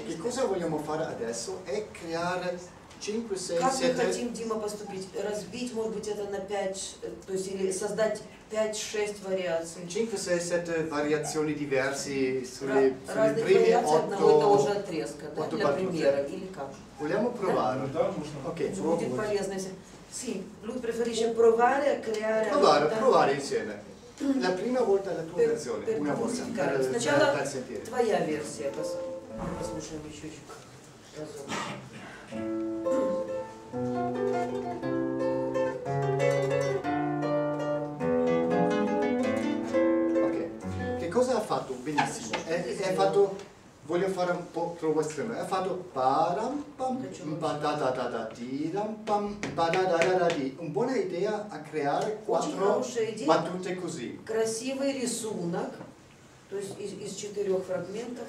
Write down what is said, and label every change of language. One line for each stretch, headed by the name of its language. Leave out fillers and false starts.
Italian: Che cosa vogliamo fare adesso è creare 5, 6, 7...
Russian: Как мы хотим, Дима, поступить? Разбить, может быть, это на 5, то есть или создать 5-6 вариаций. 5, 6, 7 вариаций диверсии. Разные вариации одного и того же отрезка, да, для примера, или как?
Italian: Vogliamo provare?
Russian: Да, можно. Окей, будет полезно, если...
Italian: Sì, lui preferisce provare a creare... Provare insieme. La prima volta la tua versione, una volta, per sentire.
Russian: Твоя версия, послушаем еще разок.
Italian: Ok, che cosa ha fatto? Benissimo, ha fatto... Voglio fare un po' troppo estremo. Ha fatto param pam pam pam pam pam. Una buona idea a creare quattro battute così.
Russian: Красивый рисунок. То есть из четырех фрагментов.